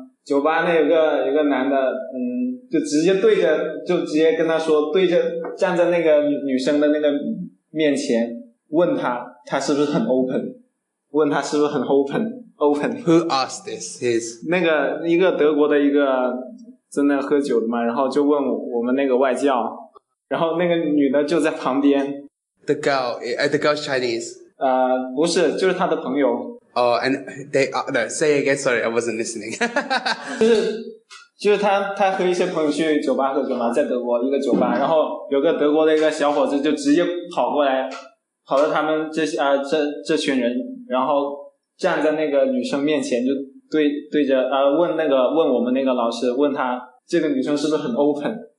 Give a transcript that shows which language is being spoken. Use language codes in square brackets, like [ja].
[zh] 酒吧那有个男的，就直接跟他说，对着站在那个女生的那个面前，问他是不是很 open， 问他是不是很 open。 [en] Who asked this? His [zh] 那个一个德国的一个在那喝酒的嘛，然后就问我们那个外教，然后那个女的就在旁边。 [en] The girl, the girl's Chinese. [zh] 不是，就是他的朋友。 [en] Oh, and they, no, say again, sorry, I wasn't listening. [zh] 就是他和一些朋友去酒吧喝酒嘛，在德国一个酒吧，然后有个德国的一个小伙子就直接跑过来，跑到他们这群人，然后站在那个女生面前，就对着问我们那个老师，问他这个女生是不是很 open。